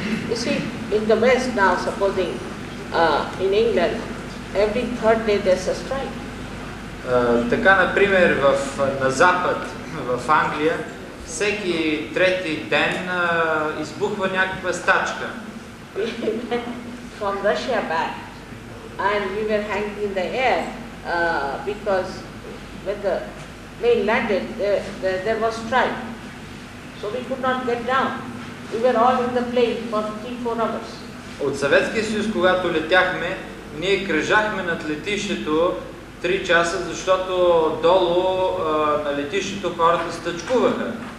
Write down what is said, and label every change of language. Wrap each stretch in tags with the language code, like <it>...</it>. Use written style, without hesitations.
<en>You see, in the West now, supposing in England, every third day there's a strike.</en> <bg>Така, например, на Запад, в Англия, всеки трети ден избухва някаква стачка.</bg> <en>From Russia back, and we were hanging in the air because when the plane landed, there was strike. So we could not get down. We were all in the plane for 3-4 hours.</en> <bg>От Съветския съюз, когато летяхме, ние кръжахме над летището 3 часа, защото долу на летището хората стъчкуваха.</bg>